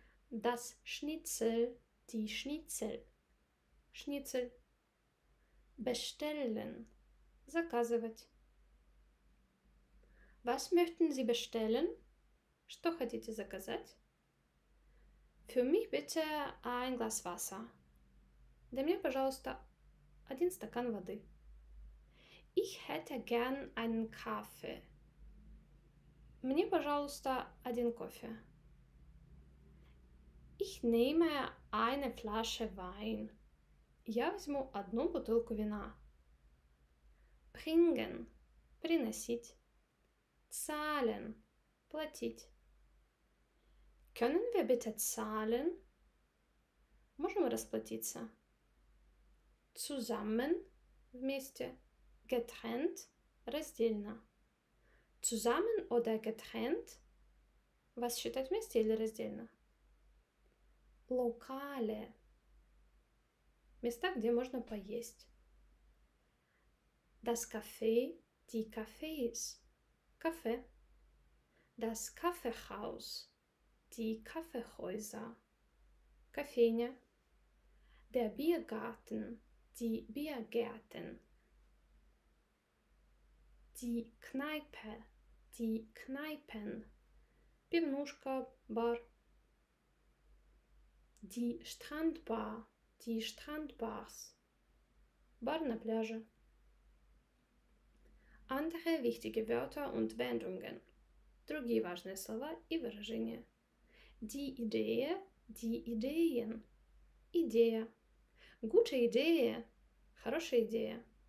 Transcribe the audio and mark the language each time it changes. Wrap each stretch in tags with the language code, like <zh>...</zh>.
<de>Das Schnitzel, die Schnitzel, Schnitzel. Bestellen, заказывать. Was möchten Sie bestellen?</de> <ru>Что хотите заказать?</ru> <de>Für mich bitte ein Glas Wasser.</de> <ru>Для меня, пожалуйста, один стакан воды.</ru> <de>Ich hätte gern einen Kaffee.</de> <ru>Мне, пожалуйста, один кофе.</ru> <de>Ich nehme eine Flasche Wein.</de> <ru>Я возьму одну бутылку вина.</ru> <de>Bringen. Приносить. Zahlen. Платить. Können wir bitte zahlen?</de> <ru>Можем расплатиться.</ru> <de>Zusammen, вместе. Getrennt, раздельно. Zusammen oder getrennt?</de> <ru>Was считать вместе или раздельно? Lokale. Места, где можно поесть.</ru> <de>Das Café, die Cafés. Кафе. Das Kaffeehaus. Die Kaffeehäuser, кофейня. Der Biergarten, die Biergärten. Die Kneipe, die Kneipen.</de> <ru>Пивнушка, бар.</ru> <de>Die Strandbar, die Strandbars.</de> <ru>Бар на пляже.</ru> <de>Andere wichtige Wörter und Wendungen.</de> <ru>Другие важные слова и выражения.</ru> <de>Die Idee, die Ideen. Idee. Gute Idee,</de> <ru>хорошая идея.</ru>